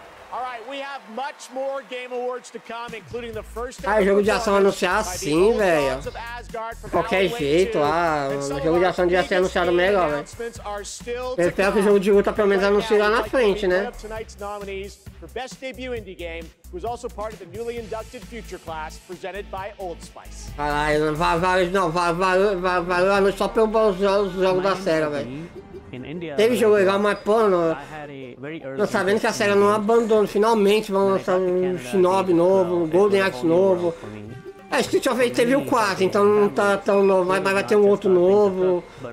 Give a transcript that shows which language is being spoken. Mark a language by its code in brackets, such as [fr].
[en] All right, we have much more Game Awards to come, including the first... [pt] Ah, jogo de ação anunciar assim, velho. Qualquer jeito, ah, jogo de ação devia ser anunciado melhor, velho. Eu espero que o jogo de luta pelo menos anuncie lá na frente, né? [en] For best debut indie game, who is also part of the newly inducted future class presented by Old Spice. [pt] Caralho, valeu só pelos jogos da série, velho. Teve jogo legal, mas pô, não sabendo que a série não abandona, finalmente vão lançar um Shinobi novo, um Golden Axe novo. É, Street of Rage teve o 4, então não tá tão novo, mas vai ter um outro novo.